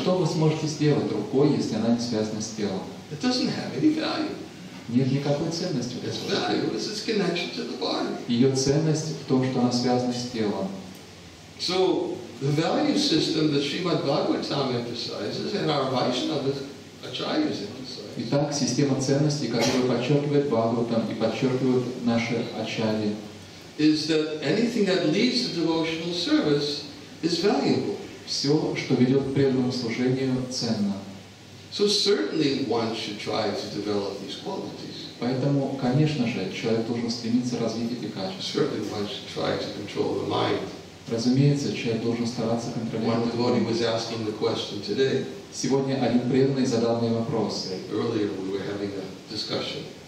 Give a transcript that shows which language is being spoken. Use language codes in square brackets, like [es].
[ru] Что вы сможете сделать рукой, если она не связана с телом? [en] It doesn't have any value. [ru] Нет никакой ценности. [en] Its value is its connection to the body. [ru] Ее ценность в том, что она связана с телом. [en] So the value system that Srimad Bhagavatam emphasizes and our Vaishnavas Acharyas emphasize. [ru] Итак, система ценностей, которую подчеркивает Бхагаватам и подчеркивают наши Ачарьи. [en] Is that anything that leads to devotional service is valuable. [ru] Все, что ведет к преданному служению, ценно. [en] So certainly one should try to develop these qualities. [ru] Поэтому, конечно же, человек должен стремиться развить эти качества. [en] Certainly one should try to control the mind. [ru] Разумеется, человек должен стараться контролировать. [en] One devotee was asking the question today. [ru] Сегодня один преданный задал мне вопрос. [en] Earlier we were having a discussion.